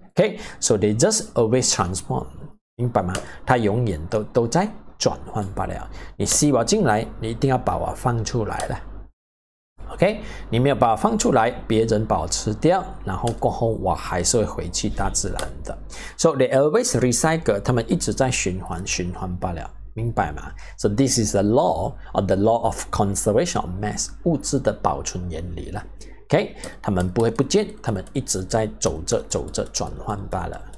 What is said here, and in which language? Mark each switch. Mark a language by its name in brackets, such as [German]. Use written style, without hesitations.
[English] Okay, so they just always transform, [Chinese] 明白吗? 它永远都在转换罢了. 你吸我进来, 你一定要把我放出来了.Okay, 你没有把我放出来, 别人把我吃掉, 然后过后我还是会回去大自然的. [English] So they always recycle, [Chinese] 他们一直在循环, 循环罢了, 明白吗? [English] So this is the law, or the law of conservation of mass, [Chinese] 物质的保存原理了. Okay, 他们不会不见, 他们一直在走着走着转换罢了.